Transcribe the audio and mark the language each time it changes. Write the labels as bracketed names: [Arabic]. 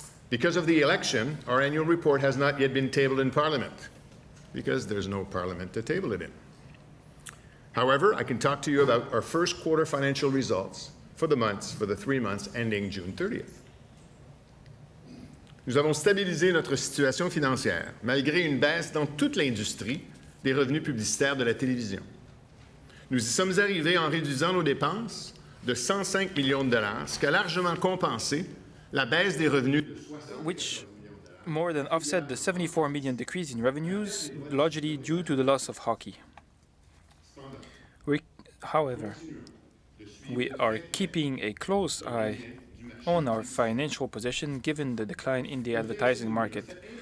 [English] Because of the election, our annual report has not yet been tabled in Parliament, because there's no Parliament to table it in. However, I can talk to you about our first quarter financial results for the three months ending June 30th. [French] Nous avons stabilisé notre situation financière malgré une baisse dans toute l'industrie des revenus publicitaires de la télévision. Nous y sommes arrivés en réduisant nos dépenses de 105 millions de dollars, ce qui a largement compensé la baisse des revenus. [English] Which more than offset the 74 million decrease in revenues, largely due to the loss of hockey. However, we are keeping a close eye on our financial position given the decline in the advertising market.